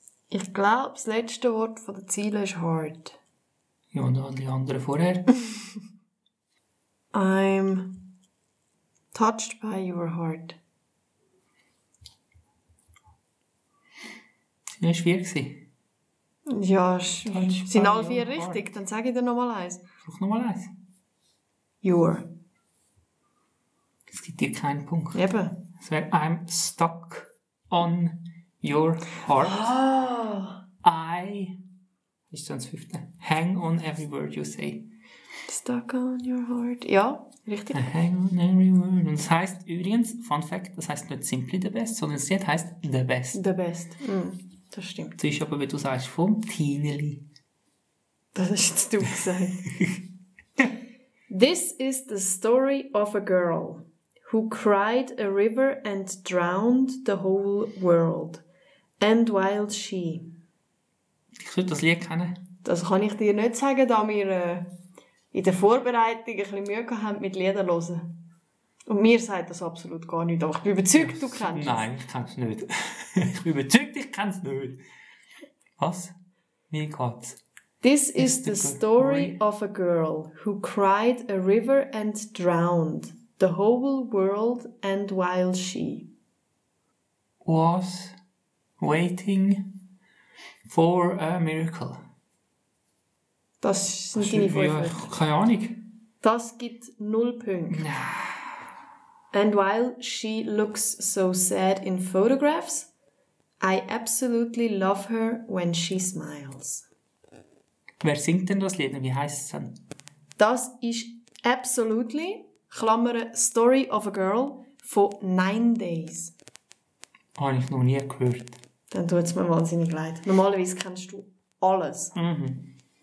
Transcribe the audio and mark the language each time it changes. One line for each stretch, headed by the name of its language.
German: Ich glaube, das letzte Wort von der Ziele ist hard. Ja, und alle anderen vorher.
English: I'm touched by your heart.
German: Sind ja schwierig gewesen. Ja, sind alle 4 richtig, dann sage ich dir nochmal eins. Such nochmal eins.
English: Your.
German: Es gibt dir keinen Punkt. Eben. Es wäre
English: I'm stuck on your heart.
German: Ah.
English: I,
German: ist dann das fünfte,
English: hang on every word you say. Stuck on your heart.
German: Ja, richtig.
English: A hang on every word.
German: Und das heisst übrigens, Fun Fact, das heisst nicht
English: simply the best,
German: sondern es heisst
English: the best. The best.
German: Mm, das stimmt. Das ist aber, wie du sagst, vom Tineli. Das hast du gesagt.
English: This is the story of a girl who cried a river and drowned the whole world. And while she...
German: Ich würde das Lied kennen. Das kann ich dir nicht sagen, da wir... in der Vorbereitung ein bisschen Mühe gehabt mit Liedern hören. Und mir sagt das absolut gar nicht. Ich bin überzeugt, du kennst es. Nein, ich kenne es nicht. Ich bin überzeugt, ich kenne es nicht. Was? Mir geht's.
English: This is the story of a girl who cried a river and drowned the whole world and while she was waiting for a miracle.
German: Das sind deine 5 Punkte. Keine Ahnung. Das gibt 0 Punkte. Nein.
English: And while she looks so sad in photographs, I absolutely love her when she smiles.
German: Wer singt denn das Lied? Wie heisst es denn? Das ist absolutely, Story of a Girl von 9 Days. Habe ich noch nie gehört. Dann tut es mir wahnsinnig leid. Normalerweise kennst du alles. Mhm.